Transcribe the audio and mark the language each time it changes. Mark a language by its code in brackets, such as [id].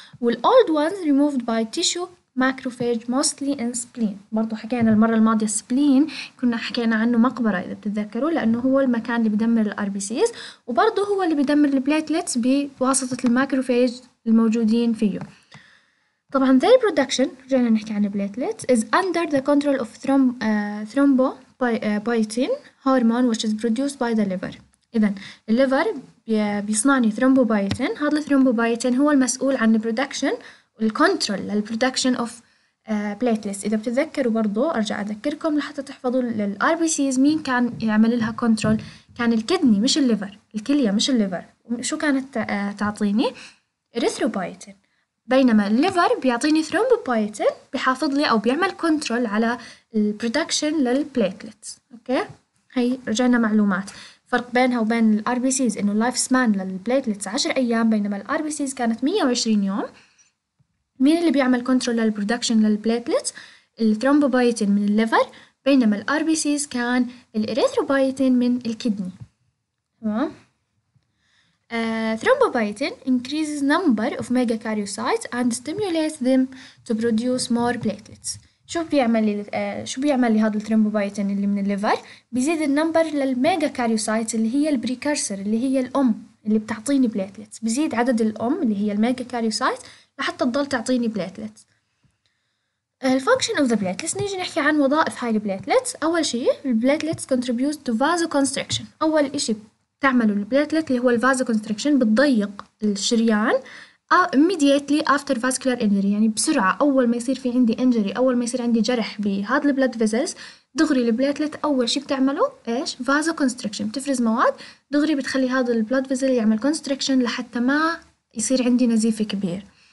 [en] والاولد ones removed by tissue macrophage mostly in spleen. [ar] برضه حكينا المره الماضيه السبلين كنا حكينا عنه مقبره اذا بتتذكروا، لانه هو المكان اللي بدمر الار بي سيز، وبرضه هو اللي بدمر البليتلت بواسطه الماكروفاج الموجودين فيه. [en] طبعا their production، [ar] رجعنا نحكي عن البليتلتس، [en] is under the control of thrombobiotin hormone which is produced by the liver. [ar] اذا الليفر بيصنعني thrombobiotin، هذا thrombobiotin هو المسؤول عن البرودكشن والكنترول للبرودكشن اوف بليتلتس. اذا بتتذكروا برضو ارجع اذكركم لحتى تحفظوا للار بي سيز مين كان يعمل لها كنترول، كان الكدني مش الليفر، الكليه مش الليفر. شو كانت تعطيني؟ erythrobiotin. بينما الليفر بيعطيني ثرومبوبايتين، بيحافظ لي او بيعمل كنترول على البرودكشن للبليتلتس، اوكي. هي رجعنا معلومات، فرق بينها وبين الار بي سيز انه اللايف سبان للبليتلتس 10 ايام، بينما الار بي سيز كانت 120 يوم. مين اللي بيعمل كنترول للبرودكشن للبليتلتس؟ الثرومبوبايتين من الليفر، بينما الار بي سيز كان الاريثروبايتين من الكدني، تمام. [en] thrombobiotin increases number of megakaryocytes and stimulates them to produce more platelets. [ar] شو بيعمل لي هذا الثرومبوبايتين اللي من الليفر؟ بيزيد النمبر للميجا كاريوسايت اللي هي البريكرسر، اللي هي الام اللي بتعطيني بلاتلت، بزيد عدد الام اللي هي الميجا كاريوسايت لحتى تضل تعطيني بلاتلت. الفانكشن اوف ذا بلاتلت، نيجي نحكي عن وظائف هاي البلاتلت. اول شيء البلاتلت كونتريبيوت تو فازو كونستريكشن، اول شيء بتعمله البلاتلت اللي هو الفازو كونستريكشن، بتضيق الشريان [en] immediately after vascular injury، [ar] يعني بسرعة أول ما يصير في عندي injury، أول ما يصير عندي جرح بهذا blood vessels، دغري البلاتلت أول شي بتعمله إيش؟ vasoconstriction، بتفرز مواد دغري بتخلي هذا blood vessel يعمل constriction لحتى ما يصير عندي نزيف كبير.